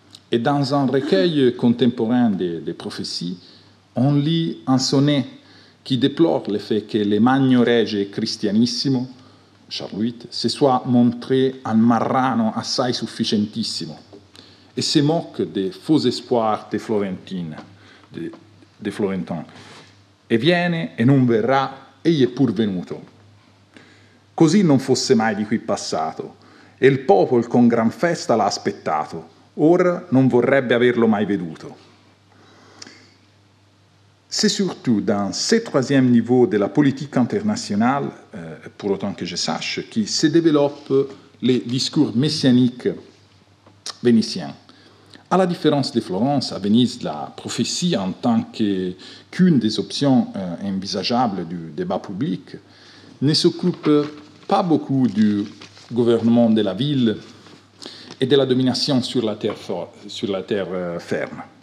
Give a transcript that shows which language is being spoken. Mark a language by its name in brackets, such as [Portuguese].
[French] Et dans un recueil contemporain des prophéties, on lit un sonnet qui déplore le fait que le Magno Rege Christianissimo, Charles VIII, se soit montré un [Italian] marrano assai sufficientissimo [French] et se moque des faux espoirs des Florentines, des Florentins. [Italian] E viene e non verrà, egli è pur venuto. Così non fosse mai di qui passato, e il popolo con gran festa l'ha aspettato, ora non vorrebbe averlo mai veduto. [French] C'est surtout dans ce troisième niveau de la politique internationale, pour autant que je sache, qui se développent les discours messianiques vénitiens. À la différence de Florence, à Venise, la prophétie en tant qu'une des options envisageables du débat public ne s'occupe pas beaucoup du gouvernement de la ville et de la domination sur la terre ferme.